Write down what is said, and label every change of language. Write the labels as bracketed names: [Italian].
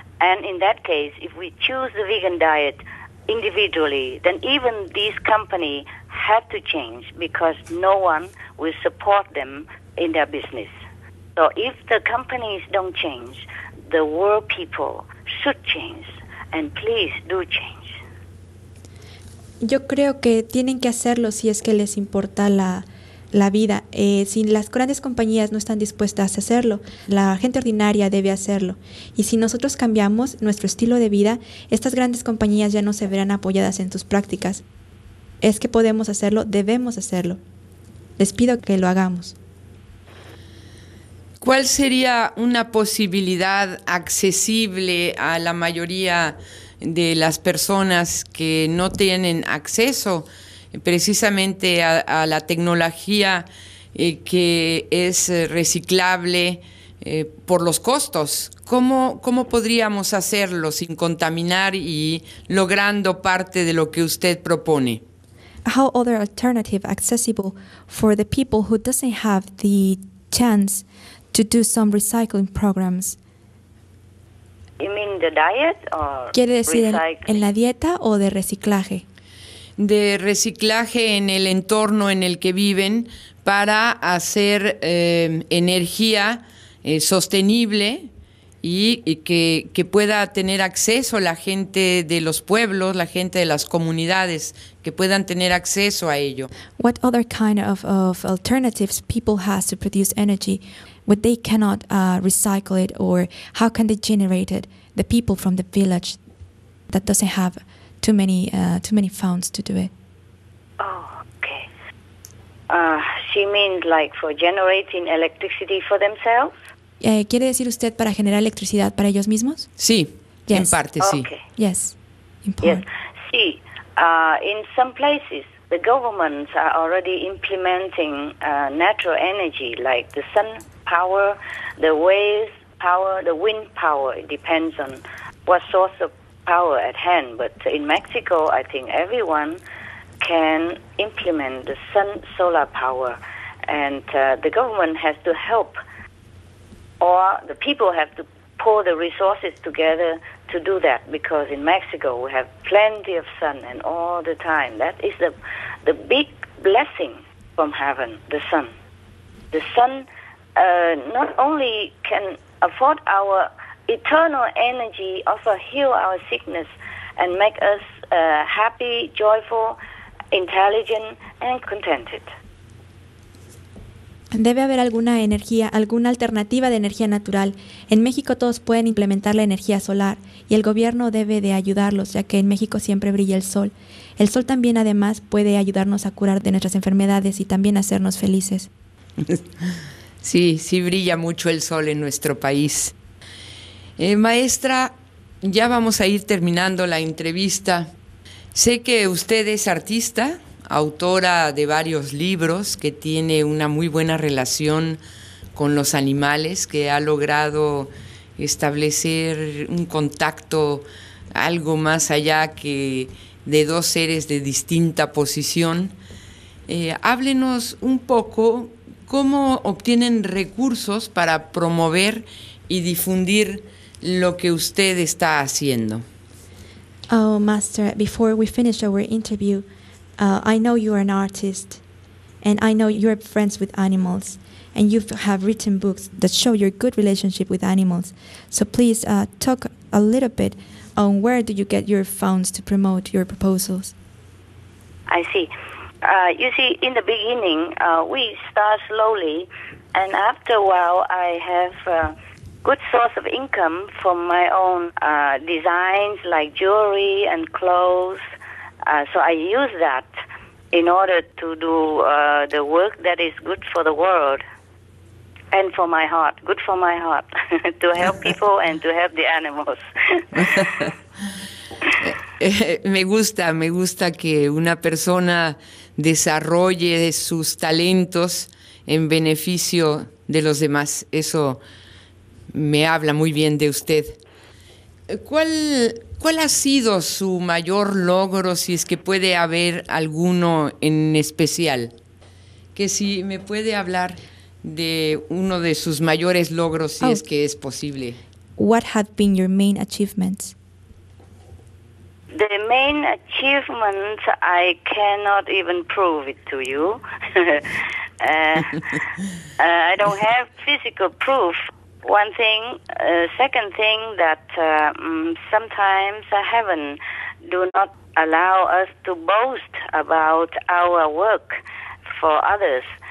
[English] And in that case, if we choose the vegan diet individually, then even these companies have to change because no one will support them in their business. So if the companies don't change, the world people should change, and please do change. [Spanish] Yo creo que tienen que hacerlo si es que les importa la vida. Si las grandes compañías no están dispuestas a hacerlo, la gente ordinaria debe hacerlo. Y si nosotros cambiamos nuestro estilo de vida, estas grandes compañías ya no se verán apoyadas en sus prácticas. Es que podemos hacerlo, debemos hacerlo. Les pido que lo hagamos. ¿Cuál sería una posibilidad accesible a la mayoría de las personas que no tienen acceso precisamente a la tecnología que es reciclable por los costos? ¿Cómo podríamos hacerlo sin contaminar y logrando parte de lo que usted propone? [English] How other alternative accessible for the people who doesn't have the chance to do some recycling programs? You mean the diet or [Spanish] ¿quiere decir [English] recycling? [Spanish] En la dieta o de reciclaje? De reciclaje en el entorno en el que viven para hacer energía sostenible y que pueda tener acceso la gente de los pueblos, la gente de las comunidades, que puedan tener acceso a ello. [English] What other kind of alternatives people has to produce energy, what they cannot recycle it, or how can they generate it? The people from the village that doesn't have too many funds to do it. Oh, okay. She means like for generating electricity for themselves? [Spanish] ¿Quiere decir usted para generar electricidad para ellos mismos? Sí, [English] yes. [Spanish] En parte, sí. [English] Okay. Yes, in part. Yes. [Spanish] Sí, [English] in some places, the governments are already implementing natural energy, like the sun power, the wave power, the wind power. It depends on what source of power at hand. But in Mexico, I think everyone can implement the sun solar power. And the government has to help, or the people have to pull the resources together to do that, because in Mexico we have plenty of sun and all the time. That is the big blessing from heaven, the sun. The sun not only can afford our eternal energy, also heal our sickness and make us happy, joyful, intelligent and contented. [Spanish] Debe haber alguna energía, alguna alternativa de energía natural. En México todos pueden implementar la energía solar y el gobierno debe de ayudarlos, ya que en México siempre brilla el sol. El sol también, además, puede ayudarnos a curar de nuestras enfermedades y también hacernos felices. Sí, sí brilla mucho el sol en nuestro país. Maestra, ya vamos a ir terminando la entrevista. Sé que usted es artista, autora de varios libros, que tiene una muy buena relación con los animales, que ha logrado establecer un contacto algo más allá que de dos seres de distinta posición. Háblenos un poco cómo obtienen recursos para promover y difundir lo que usted está haciendo. [English] Oh, Master, before we finish our interview, I know you are an artist, and I know you're friends with animals, and you have written books that show your good relationship with animals. So please talk a little bit on where do you get your funds to promote your proposals. I see. You see, in the beginning, we start slowly, and after a while, I have a good source of income from my own designs, like jewelry and clothes. So I use that in order to do the work that is good for the world and for my heart, good for my heart, to help people and to help the animals. [Spanish] Me gusta que una persona desarrolle sus talentos en beneficio de los demás. Eso me habla muy bien de usted. ¿Cuál ha sido su mayor logro, si es que puede haber alguno en especial? Que si me puede hablar de uno de sus mayores logros, si es que es posible. [English] What have been your main achievements? The main achievement, I cannot even prove it to you. I don't have physical proof. One thing, second thing, that sometimes heaven do not allow us to boast about our work for others.